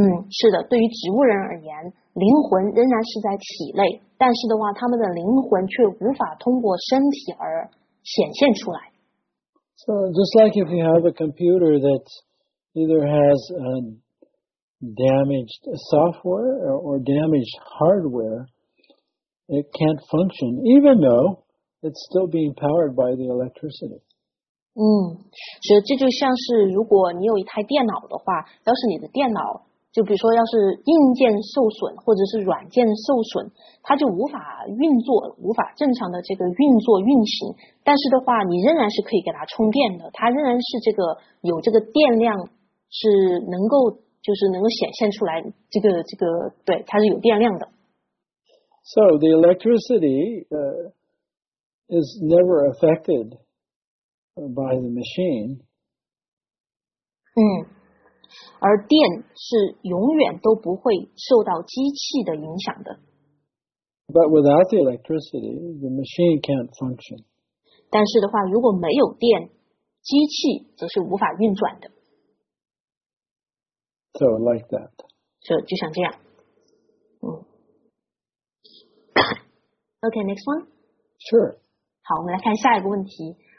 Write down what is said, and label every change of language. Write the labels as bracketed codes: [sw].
[zh] 是的，对于植物人而言，灵魂仍然是在体内，但是的话，他们的灵魂却无法通过身体而显现出来。 [en] So just like if you have a computer that either has damaged software or damaged hardware, it can't function, even though it's still being powered by the electricity. [zh] 所以这就像是如果你有一台电脑的话，要是你的电脑，就比如说要是硬件受损或者是软件受损，它就无法运作，无法正常的这个运作运行，但是的话你仍然是可以给它充电的，它仍然是这个有这个电量，是能够就是能够显现出来，这个对，它是有电量的。 [en] So the electricity is never affected by the machine. [zh] 而电是永远都不会受到机器的影响的。 [en] But without the electricity, the machine can't function. [zh] 但是的话，如果没有电，机器则是无法运转的。 [en] So like that. [zh] 就像这样。 [en] Okay, next one. Sure. [zh] 好，我们来看下一个问题。